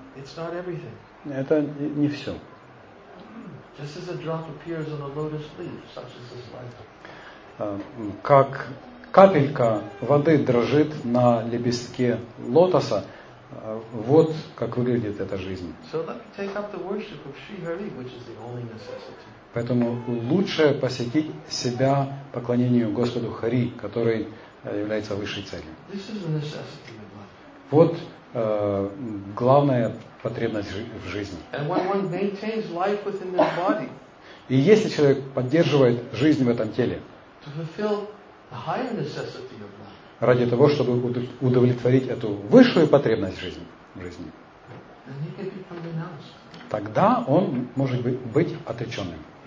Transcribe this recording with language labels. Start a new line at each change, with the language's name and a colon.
English: It's not everything.
Russian: Это не все.
English: Just as a drop appears on a lotus leaf, such as this life.
Russian: Как капелька воды дрожит на лепестке лотоса, вот как выглядит эта жизнь.
English: So let me take up the worship of Sri Hari, which is the only necessity.
Russian: Поэтому лучше посвятить себя поклонению Господу Хари, который является высшей целью.
English: This is a necessity of life.
Russian: Вот главная потребность в жизни.
English: And when one maintains life within their body,
Russian: и если человек поддерживает жизнь в этом теле,
English: to fulfill the higher necessity of life,
Russian: ради того, чтобы удовлетворить эту высшую потребность в жизни,
English: then he can become renounced.
Russian: Тогда он может быть отреченным.